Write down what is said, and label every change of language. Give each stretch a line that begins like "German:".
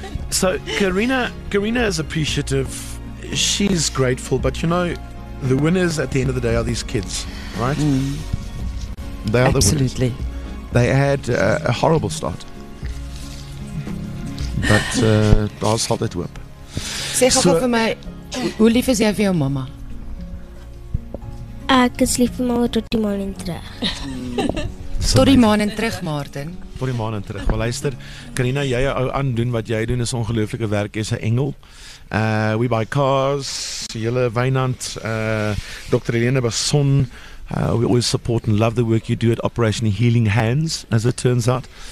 English: So Karina is appreciative. She's grateful, but you know, the winners at the end of the day are these kids, right? Mm. They are absolutely. The winners. They had a horrible start, but
Afrikaans: daar sal dit hoop. Sê gou vir my, hoe lief is jy vir jou mama? Ek is lief vir mama tot die maan en terug. Tot die maan en terug, Martin. Tot die maan en terug. Maar luister, Karina, jy ou aan doen wat jy doen is ongelooflike werk, jy is 'n engel.
English: We Buy Cars, Jelle Wynand, Dr. Helene Basson, we always support and love the work you do at Operation Healing Hands, as it turns out.